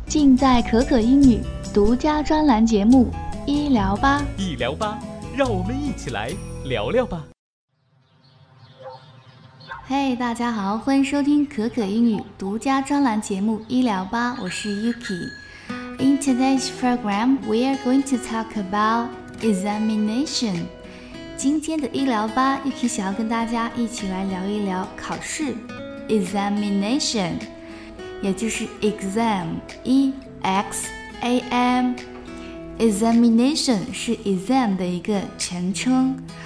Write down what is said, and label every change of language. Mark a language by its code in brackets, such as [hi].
[zh] 尽在可可英语独家专栏节目医疗吧，医疗吧，让我们一起来聊聊吧。嘿，大家好，欢迎收听可可英语独家专栏节目医疗吧，我是 Yuki。 [en] In today's program, we are going to talk about examination。 [zh] 今天的医疗吧，一起想要跟大家一起来聊一聊考试 examination， 也就是 exam， E X A M， examination 是 exam 的一个全称。